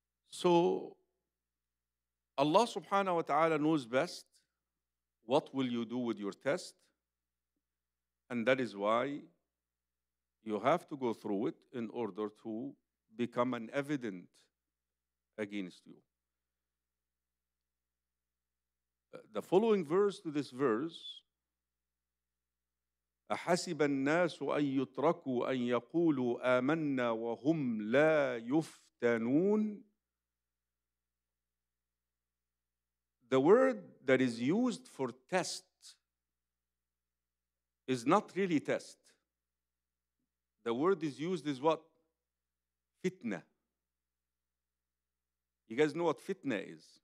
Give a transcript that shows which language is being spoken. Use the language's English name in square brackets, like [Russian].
[English] So Allah subhanahu wa ta'ala knows best what will you do with your test, and that is why you have to go through it in order to become an evident against you. The following verse to this verse, [Arabic] أَحَسِبَ النَّاسُ أَن يُتْرَكُوا أَن يَقُولُوا آمَنَّا وَهُمْ لَا يُفْتَنُونَ. [English] The word that is used for test is not really test. The word is used is what? Fitna. You guys know what fitna is?